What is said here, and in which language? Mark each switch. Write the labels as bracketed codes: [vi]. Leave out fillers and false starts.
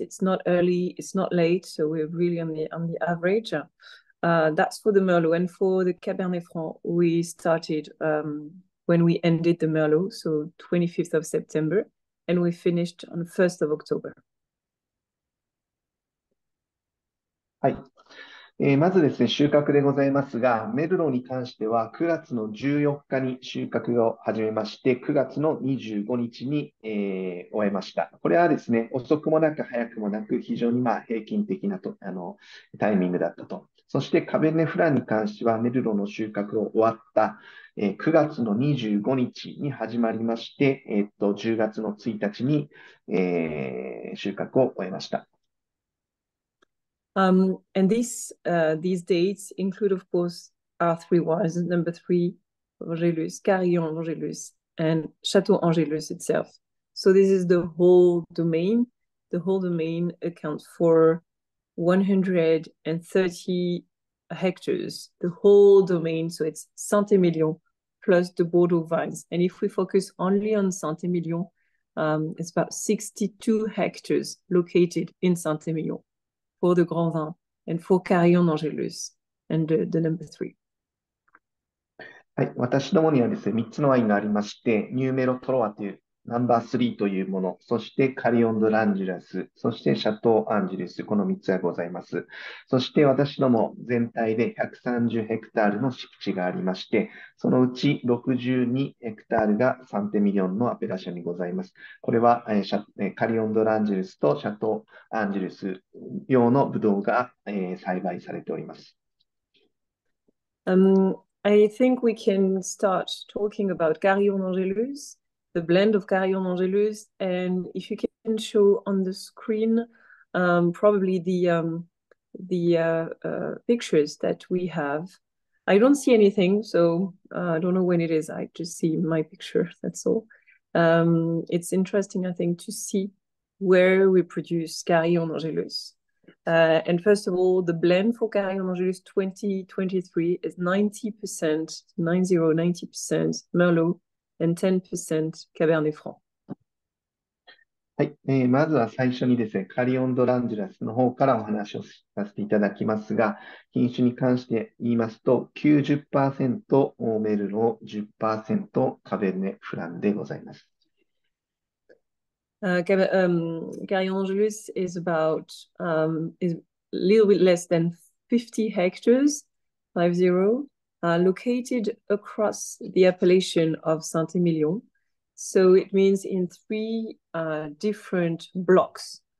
[en] It's not early, it's not late. So we're really on the average. That's for the Merlot. And for the Cabernet Franc, we started when we ended the Merlot, so 25th of September, and we finished on 1st of October. [ja] はい。まずですね、収穫でございますが、メルローに関しては9月の14日に収穫を始めまして、9月の25日に、終えました。これはですね、遅くもなく早くもなく、非常にまあ平均的なとあのタイミングだったと。そしてカベネフランに関しては、メルローの収穫を終わった、9月の25日に始まりまして、10月の1日に、収穫を終えました。 [en] And these dates include, of course, our three wines, number three, Angelus, Carillon Angelus, and Château Angelus itself. So this is the whole domain. The whole domain accounts for 130 hectares, the whole domain. So it's Saint-Émilion plus the Bordeaux vines. And if we focus only on Saint-Émilion, it's about 62 hectares located in Saint-Émilion. For the Grand Vin and for Carillon Angelus and the number three. [ja] はい、私どもにはですね、3つのワインがありまして、ニューメロトロワというナンバースリーというもの、そしてカリオンドランジュラス、そしてシャトーアンジュルス、この3つがございます。そして私ども全体で130ヘクタールの敷地がありまして、そのうち62ヘクタールがサンテミリオンのアペラシアにございます。これはカリオンドランジュルスとシャトーアンジュルス用のブドウが栽培されております。 [en] I think we can start talking about Carillon Angelus, the blend of Carillon Angelus, and if you can show on the screen, probably the pictures that we have. I don't see anything, so I don't know when it is. I just see my picture, that's all. It's interesting, I think, to see where we produce Carillon Angelus. And first of all, the blend for Carillon Angelus 2023 is 90%, 90% Merlot and 10% Cabernet Franc. [ja] はい、まずは最初にですね、カリオンドランジュラスの方からお話をさせていただきますが、品種に関して言いますと、90%オーメルロ、10%カベネフランでございます。 [en] Carillon Angelus is about is a little bit less than 50 hectares, 50, located across the appellation of Saint-Émilion. So it means in three different blocks.